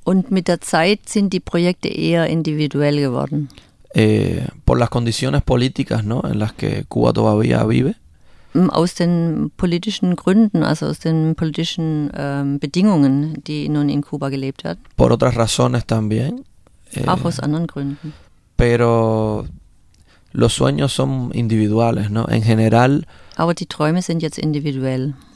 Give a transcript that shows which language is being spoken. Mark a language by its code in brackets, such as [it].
[de] Und mit der Zeit sind die Projekte eher individuell geworden. [es] Por las condiciones políticas, ¿no? En las que Cuba todavía vive. [de] Aus den politischen Gründen, also aus den politischen Bedingungen, die nun in Kuba gelebt hat. [es] Por otras razones también. [de] Auch aus anderen Gründen. [es] Pero los sueños son individuales, ¿no? En general. [de] Aber die Träume sind jetzt individuell.